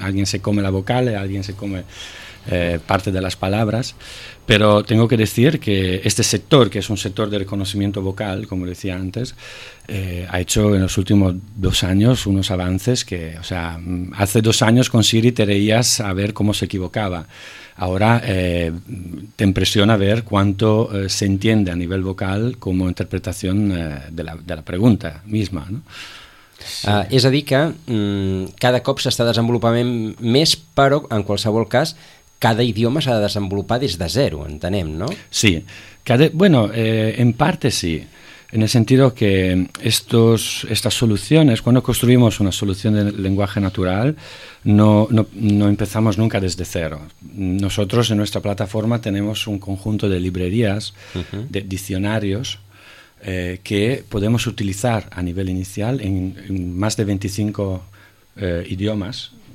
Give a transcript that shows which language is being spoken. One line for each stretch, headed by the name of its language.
Spanish: Alguien se come la vocal, alguien se come parte de las palabras, pero tengo que decir que este sector, que es un sector de reconocimiento vocal, como decía antes, ha hecho en los últimos 2 años unos avances que, o sea, hace 2 años con Siri te reías a ver cómo se equivocaba. Ahora te impresiona ver cuánto se entiende a nivel vocal como interpretación de la pregunta misma, ¿no?
Catalan: És a dir que cada cop s'està desenvolupant més, però en qualsevol cas cada idioma s'ha de desenvolupar des de zero, entenem, no?
Spanish: Sí, en parte sí. En el sentido que estas soluciones, cuando construimos una solución de lenguaje natural, no empezamos nunca desde cero. Nosotros en nuestra plataforma tenemos un conjunto de librerías, de diccionarios, que podemos utilizar a nivel inicial en más de 25 idiomas.